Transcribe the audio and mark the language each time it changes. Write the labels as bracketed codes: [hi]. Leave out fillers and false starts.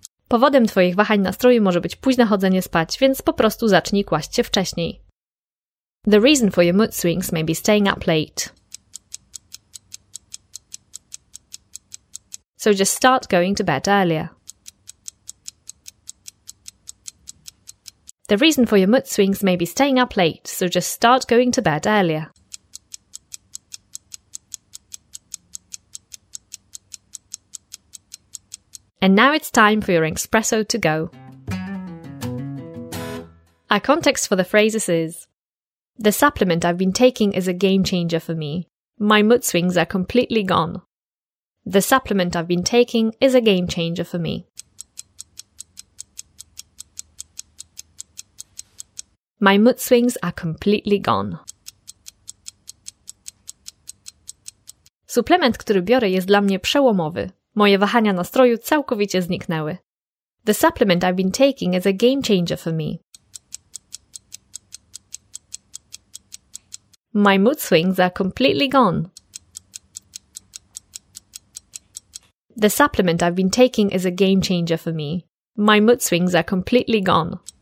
[pl] Powodem twoich wahań nastroju może być późne chodzenie spać, więc po prostu zacznij kłaść się wcześniej. [en] The reason for your mood swings may be staying up late. So just start going to bed earlier. The reason for your mood swings may be staying up late, so just start going to bed earlier. And now it's time for your espresso to go. Our context for the phrases is: the supplement I've been taking is a game changer for me. My mood swings are completely gone. The supplement I've been taking is a game changer for me. My mood swings are completely gone. [pl] Suplement, który biorę, jest dla mnie przełomowy. Moje wahania nastroju całkowicie zniknęły. [en] The supplement I've been taking is a game changer for me. My mood swings are completely gone. The supplement I've been taking is a game changer for me. My mood swings are completely gone.